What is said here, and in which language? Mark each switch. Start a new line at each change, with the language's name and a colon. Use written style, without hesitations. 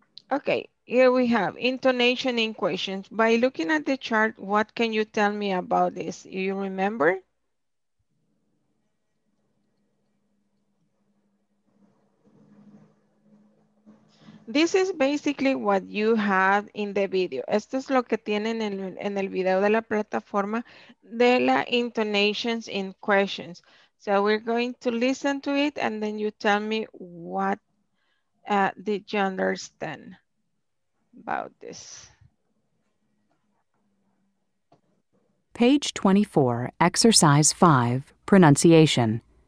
English: Okay, here we have intonation in questions. By looking at the chart, what can you tell me about this? You remember? This is basically what you have in the video.
Spanish: Esto es lo que tienen en el video de la plataforma de la intonations in questions.
English: So we're going to listen to it and then you tell me what did you understand about this. Page 24, exercise 5, pronunciation.